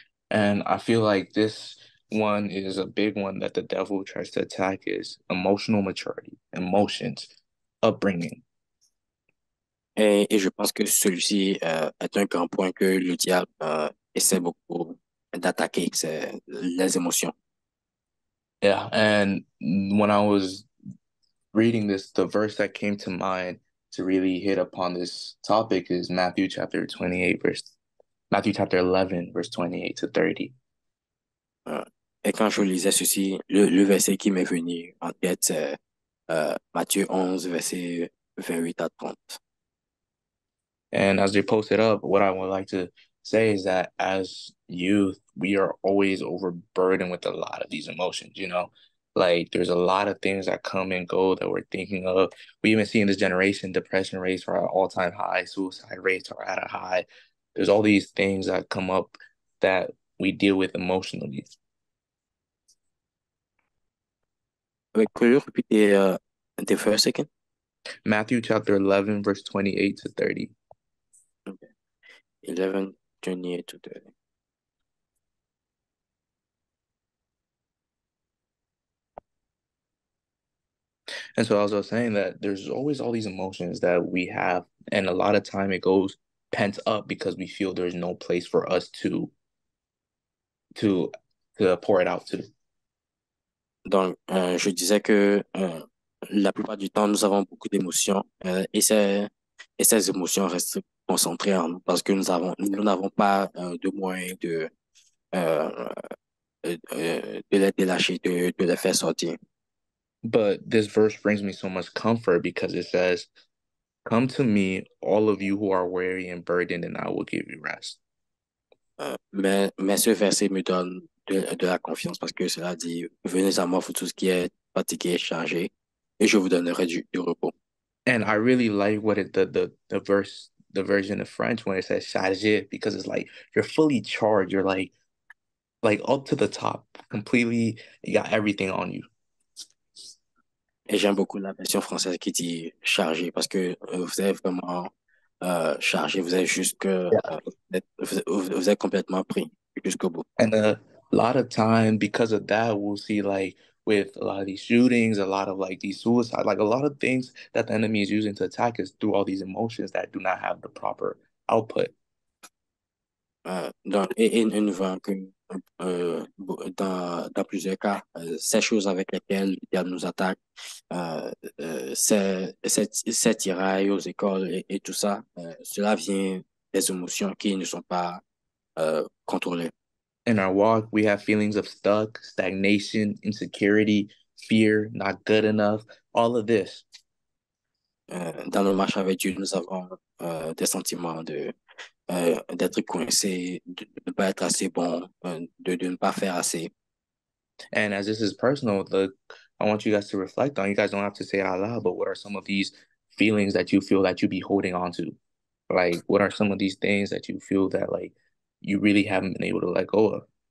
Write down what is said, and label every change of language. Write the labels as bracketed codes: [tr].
[en] And I feel like this one is a big one that the devil tries to attack is emotional maturity, emotions, upbringing. [fr] Et je pense que celui-ci est un grand point que le diable essaie beaucoup d'attaquer, c'est les émotions. [en] Yeah, and when I was reading this, the verse that came to mind to really hit upon this topic is Matthew chapter 11, verse 28 to 30. [fr] Et quand je lisais ceci, le verset qui m'est venu en tête, c'est Matthieu 11, verset 28 à 30. [en] And as they post it up, what I would like to say is that as youth, we are always overburdened with a lot of these emotions, you know? Like, there's a lot of things that come and go that we're thinking of. We even see in this generation, depression rates are at all-time high, suicide rates are at a high. There's all these things that come up that we deal with emotionally. Wait, could you repeat the verse again? Matthew chapter 11, verse 28 to 30. Okay. 11, 28 to 30. And so I was saying that there's always all these emotions that we have, and a lot of time it goes pent up because we feel there's no place for us to pour it out to. [fr] Donc, je disais que la plupart du temps, nous avons beaucoup d'émotions et ces émotions restent concentrées en nous parce que nous n'avons pas de moyens de les délâcher, de les faire sortir. [en] But this verse brings me so much comfort because it says, come to me, all of you who are weary and burdened, and I will give you rest. [fr] Mais ce verset me donne de la confiance parce que cela dit, venez à moi, vous tous qui êtes fatigués et chargés, et je vous donnerai du repos. [en] And I really like what the version of French when it says chargé, because it's like, you're fully charged, you're like up to the top, completely, you got everything on you. [fr] Et j'aime beaucoup la version française qui dit chargé, parce que vous êtes vraiment chargé, vous êtes jusque, vous êtes complètement pris jusqu'au bout. [en] And a lot of time, because of that, we'll see like with a lot of these shootings, a lot of like these suicides, like a lot of things that the enemy is using to attack us through all these emotions that do not have the proper output. [fr] Donc, une fois que dans plusieurs cas, ces choses avec lesquelles le diable nous attaque, cet tirail aux écoles et tout ça, cela vient des émotions qui ne sont pas contrôlées. [en] In our walk, we have feelings of stagnation, insecurity, fear, not good enough, all of this. [fr] Dans le marché avec Dieu, nous avons des sentiments de d'être coincé, de ne pas être assez bon, de ne pas faire assez. [en] And as this is personal, I want you guys to reflect on. You guys don't have to say it out loud, but what are some of these feelings that you feel that you be holding on to? Like, what are some of these things that you feel that like you really haven't been able to let go of?